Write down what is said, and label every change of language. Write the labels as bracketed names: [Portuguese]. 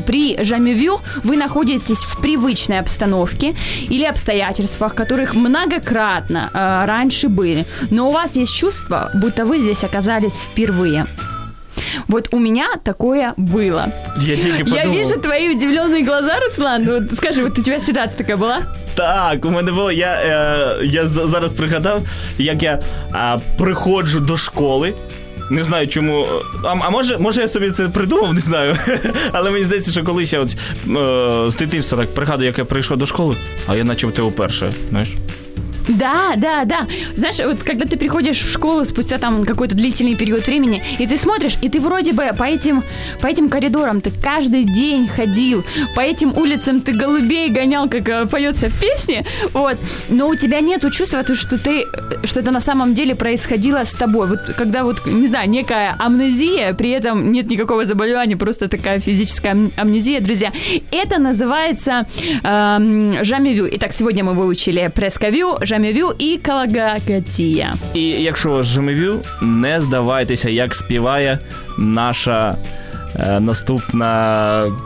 [Russian] При жамевю вы находитесь в привычной обстановке или обстоятельствах, которых многократно раньше были. Но у вас есть чувство, будто вы здесь оказались впервые. Вот у меня такое было. [Ukrainian] Я тільки подумав. [Russian] Я вижу твои удивленные глаза, Руслан. Вот скажи, вот у тебя ситуация такая была? [Ukrainian] Так, у мене було. Я зараз пригадав, як я приходжу до школи. Не знаю, чому. А може я собі це придумав, не знаю. Але мені здається, що колись я з дитинства так пригадую, як я прийшов до школи, а я наче в тебе вперше, знаєш? [Russian] Да, да, да. Знаешь, вот когда ты приходишь в школу спустя там какой-то длительный период времени, и ты смотришь, и ты вроде бы по этим коридорам ты каждый день ходил, по этим улицам ты голубей гонял, как поется в песне, вот. Но у тебя нету чувства, что это на самом деле происходило с тобой. Вот когда вот, не знаю, некая амнезия, при этом нет никакого заболевания, просто такая физическая амнезия, друзья. Это называется жамевю. Итак, сегодня мы выучили пресковю, жамевю и калагакатія. [Ukrainian] І якщо у вас жамевю, не здавайтеся, як співає наша наступна